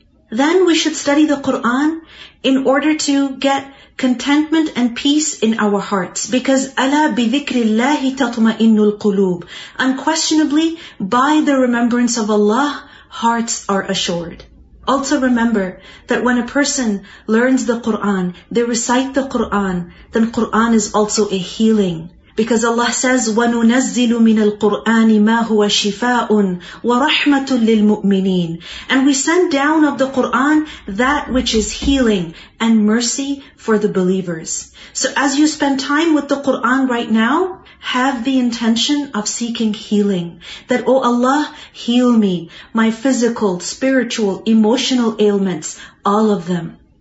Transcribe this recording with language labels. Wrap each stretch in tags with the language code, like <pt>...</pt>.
<en>Then we should study the Qur'an in order to get contentment and peace in our hearts, because</en> <ar>أَلَا بِذِكْرِ اللَّهِ تَطْمَئِنُّ الْقُلُوبِ.</ar> <en>Unquestionably, by the remembrance of Allah, hearts are assured. Also remember that when a person learns the Qur'an, they recite the Qur'an, then Qur'an is also a healing. Because Allah says,</en> <ar>وَنُنَزِّلُ مِنَ الْقُرْآنِ مَا هُوَ شِفَاءٌ وَرَحْمَةٌ لِلْمُؤْمِنِينَ.</ar> <en>And we send down of the Qur'an that which is healing and mercy for the believers. So as you spend time with the Qur'an right now, have the intention of seeking healing. That, O Allah, heal me, my physical, spiritual, emotional ailments, all of them.</en>